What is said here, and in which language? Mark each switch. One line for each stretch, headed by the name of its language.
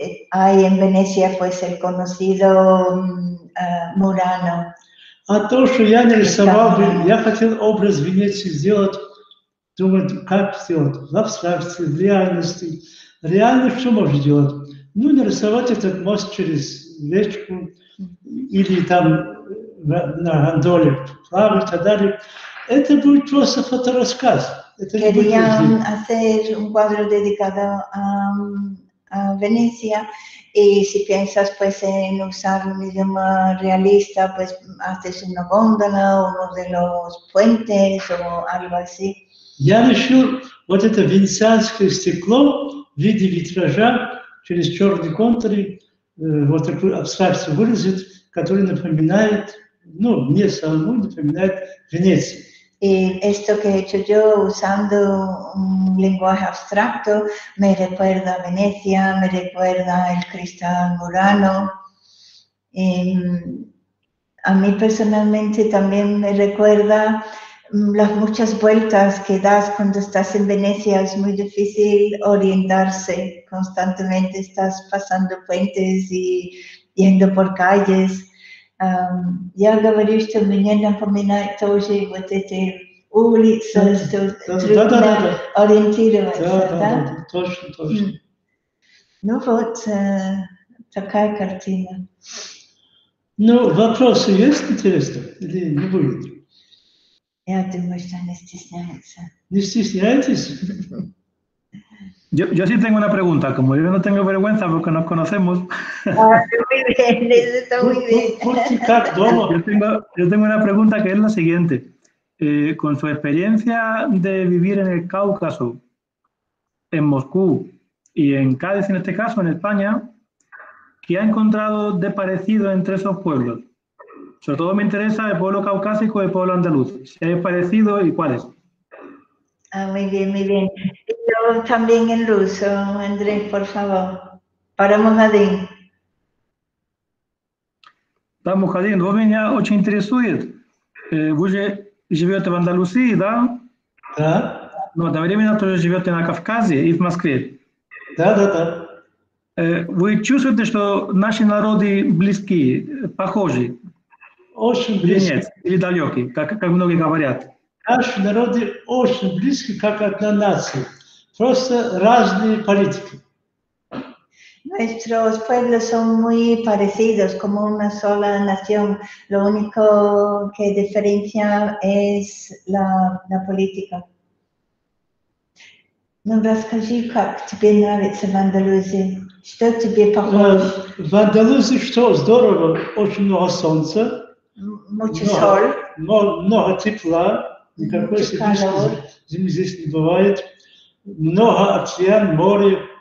Spanish: Hay en Venecia pues el conocido Murano.
Russian: А то, что я нарисовал, я хотел образ Венеции сделать, думаю, как сделать, в абстракции, в реальности. Реально что можно делать? Ну, нарисовать этот мост через речку или там на гондоле плавать и так далее. Это будет просто фоторассказ.
Spanish: Quería hacer un cuadro dedicado a Venecia, y si piensas pues en usar un idioma realista, pues haces una góndola o uno de los puentes o algo así.
Russian: Я решил вот это венецианское стекло в виде витража через черный контур вот такую абстракцию выразить, которая напоминает, ну, мне самому напоминает Венецию.
Spanish: Y esto que he hecho yo usando un lenguaje abstracto me recuerda a Venecia, me recuerda el cristal Murano. Y a mí personalmente también me recuerda las muchas vueltas que das cuando estás en Venecia. Es muy difícil orientarse, constantemente estás pasando puentes y yendo por calles.
Russian: Я говорю, что меня напоминает тоже вот эти улицы, что трудно ориентироваться, да? Точно. Ну вот, такая картина. Ну, вопросы есть интересные или не будет? Я думаю, что не стесняется. Не стесняйтесь?
Spanish: Yo sí tengo una pregunta, como yo no tengo vergüenza porque nos conocemos. Muy bien, está muy bien. Yo tengo una pregunta que es la siguiente. Con su experiencia de vivir en el Cáucaso, en Moscú y en Cádiz, en este caso, en España, ¿qué ha encontrado de parecido entre esos pueblos? Sobre todo me interesa el pueblo caucásico y el pueblo andaluz. ¿Si hay parecido y cuáles? Muy bien. También en ruso, Andrés, por favor. Para Mujadín.
Russian: Да, Мухадин, вы меня очень интересует. Вы же живете в Андалусии, да? Да. Но одновременно тоже живете на Кавказе и в Москве. Да. Вы чувствуете, что наши народы близки, похожи? Очень близки. Или нет? Или далеки, как многие говорят? Наши народы очень близки, как одна нация. Просто разные политики.
Spanish: Nuestros pueblos son muy parecidos, como una sola nación. Lo único que diferencia es la política.
Russian: Ну, расскажи, как тебе нравится в Андалузии? Что тебе похоже? В Андалузии что? Здорово. Очень много солнца.
Spanish: Mucho sol.
Russian: Много тепла. Никакой сибирской зимы здесь не бывает. Много океан, море.